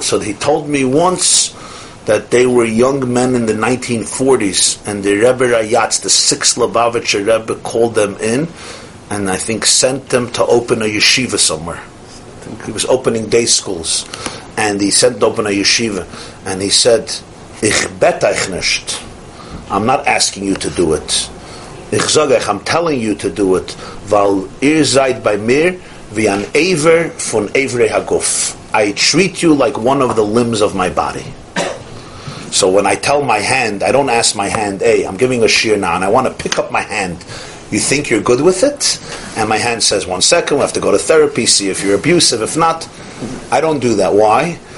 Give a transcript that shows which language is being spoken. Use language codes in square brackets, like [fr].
[en] So he told me once that they were young men in the 1940s, and the Rebbe Rayatz, the sixth Lubavitcher Rebbe, called them in, and I think sent them to open a yeshiva somewhere. He was opening day schools, and he sent to open a yeshiva, and he said, [yi] "Ich betaych nicht. [en] I'm not asking you to do it. [yi] Ich zogech, [en] I'm telling you to do it. [yi] Val ihr seid bei mir wie ein Eiver von Eivrei Haguf. [en] I treat you like one of the limbs of my body." So when I tell my hand, I don't ask my hand, hey, I'm giving a shir now, and I want to pick up my hand. You think you're good with it? And my hand says, 1 second, we have to go to therapy, see if you're abusive. If not, I don't do that. Why?